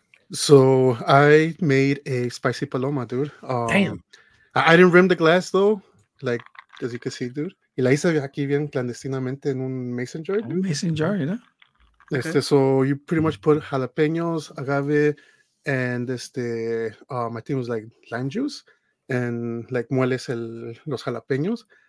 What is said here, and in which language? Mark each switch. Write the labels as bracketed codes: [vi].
[en] So I made a spicy paloma, dude. Damn. I didn't rim the glass though, like as you can see, dude. [es] Y la hice aquí bien clandestinamente en un mason jar. Un mason jar, ¿no? [en] Este, okay. So you pretty much put jalapenos, agave, and este, I think it was like lime juice, and like [es] mueles el, los jalapenos.